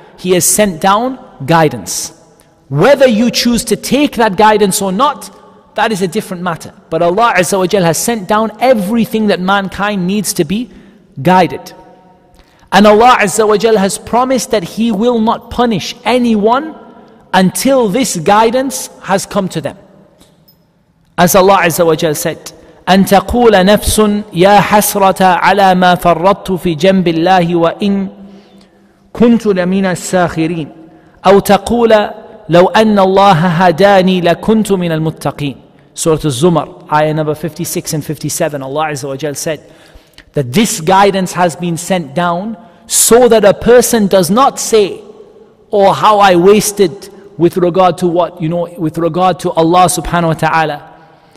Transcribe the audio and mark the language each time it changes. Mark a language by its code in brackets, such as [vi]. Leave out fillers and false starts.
[en] He has sent down guidance. Whether you choose to take that guidance or not, that is a different matter. But Allah Azza wa Jal has sent down everything that mankind needs to be guided. And Allah Azza wa Jal has promised that He will not punish anyone until this guidance has come to them. As Allah Azza wa Jal said, [ar] أن تقول نفس يا حسرة على ما فرطت في جنب الله وإن كنت لمن الساخرين أو تقول لو أن الله هداني لكنت من المتقين. [en] Surah Az-Zumar, ayah number 56 and 57, Allah Azza wa Jal said that this guidance has been sent down so that a person does not say, oh, how I wasted with regard to what, you know, with regard to Allah subhanahu wa ta'ala.